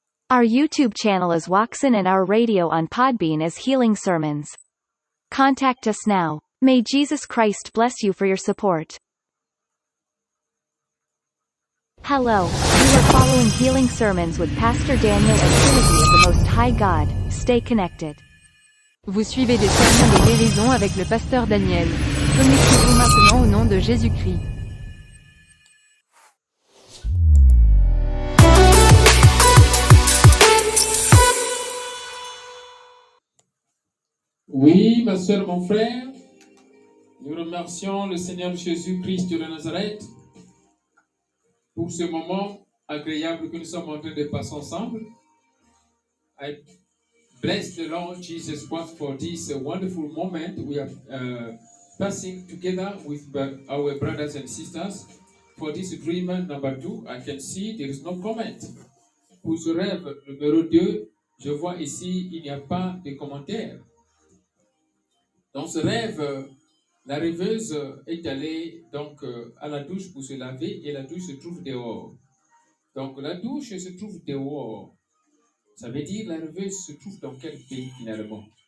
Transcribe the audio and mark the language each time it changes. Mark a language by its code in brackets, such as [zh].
[en] Our YouTube channel is Watson and our radio on Podbean is Healing Sermons. Contact us now. May Jesus Christ bless you for your support. Hello, you are following Healing Sermons with Pastor Daniel and Trinity of the Most High God. Stay connected. [fr] Vous suivez des sermons de guérison avec le Pasteur Daniel. Connectez-vous maintenant au nom de Jésus-Christ. Oui, ma soeur, mon frère, nous remercions le Seigneur Jésus-Christ de Nazareth pour ce moment agréable que nous sommes en train de passer ensemble. [en] I bless the Lord Jesus Christ for this wonderful moment we are passing together with our brothers and sisters. For this dream number 2, I can see there is no comment. [fr] Pour ce rêve numéro 2, je vois ici, il n'y a pas de commentaire. Dans ce rêve, la rêveuse est allée donc à la douche pour se laver et la douche se trouve dehors. Donc la douche se trouve dehors. Ça veut dire la rêveuse se trouve dans quel pays finalement?